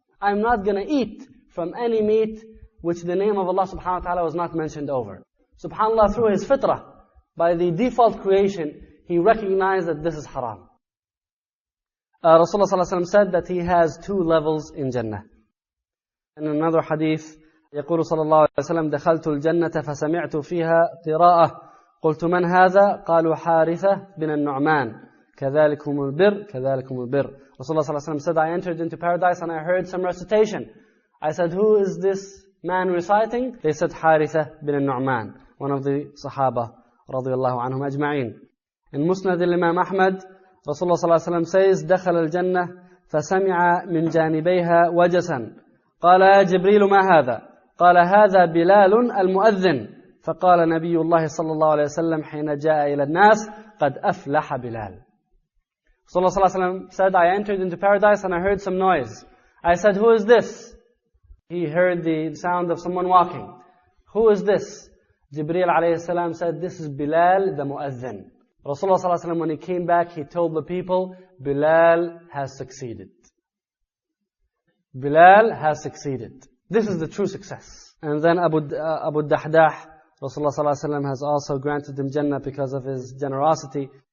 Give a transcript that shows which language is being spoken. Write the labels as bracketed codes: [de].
[en] I'm not going to eat from any meat which the name of Allah subhanahu wa ta'ala was not mentioned over. SubhanAllah, through his fitrah, by the default creation, he recognized that this is haram. Rasulullah sallallahu alaihi wasallam said that he has two levels in Jannah. In another hadith, [ar] يقول صلى الله عليه وسلم دخلت الجنة فسمعت فيها قراءة قلت من هذا قالوا حارثة بن النعمان كذلكم البر كذلكم البر. [en] رسول الله صلى الله عليه وسلم said I entered into paradise and I heard some recitation. I said who is this man reciting? They said حارثة بن النعمان, one of the صحابة رضي الله عنهم أجمعين. In Musnad [ar] الإمام أحمد, رسول الله صلى الله عليه وسلم says دخل الجنة فسمع من جانبيها وجسا قال يا جبريل ما هذا؟ قال هذا بلال المؤذن. فقال نبي الله صلى الله عليه وسلم حين جاء إلى الناس قد أفلح بلال. [en] صلى الله عليه وسلم said I entered into paradise and I heard some noise. I said who is this? He heard the sound of someone walking. Who is this? [ar] جبريل عليه السلام [en] said this is [ar] بلال the مؤذن. [en] رسول الله صلى الله عليه وسلم when he came back he told the people بلال has succeeded. بلال has succeeded. This is the true success. And then Abu Dahdah, Rasulullah صلى الله عليه وسلم has also granted him Jannah because of his generosity.